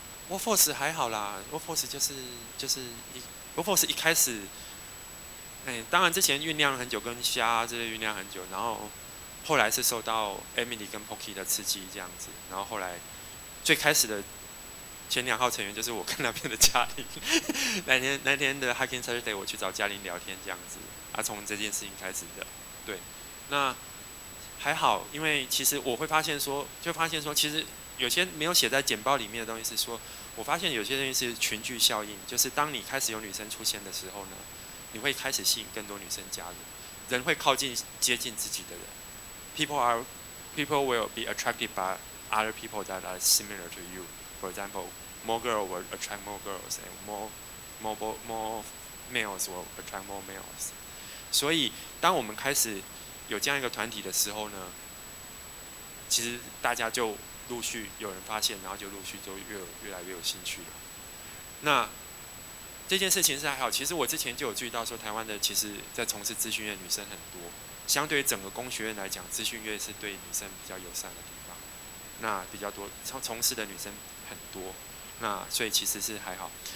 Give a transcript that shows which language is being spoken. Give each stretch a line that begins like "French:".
Chinese: Workforce 还好啦，Workforce 就是Workforce 一开始，当然之前酝酿很久，跟虾之类酝酿很久，然后后来是受到 Emily 跟 Pocky 的刺激这样子，然后后来最开始的前2号成员就是我跟那边的嘉玲，那天的 Hacking Saturday 我去找嘉玲聊天这样子，从这件事情开始的，对，那还好，因为其实我会发现说，就发现说其实。有些没有写在简报里面的东西是说，我发现有些东西是群聚效应，就是当你开始有女生出现的时候呢，你会开始吸引更多女生加入，人会靠近接近自己的人。
English: People will be attracted by other people that are similar to you. For example, more girls will attract more girls, and more males will attract more males.
Chinese: 所以，当我们开始有这样一个团体的时候呢，其实大家就。陆续有人发现，然后就陆续就越来越有兴趣了。那这件事情是还好，其实我之前就有注意到说，台湾的其实在从事资讯业的女生很多，相对于整个工学院来讲，资讯业是对女生比较友善的地方，那比较多从事的女生很多，那所以其实是还好。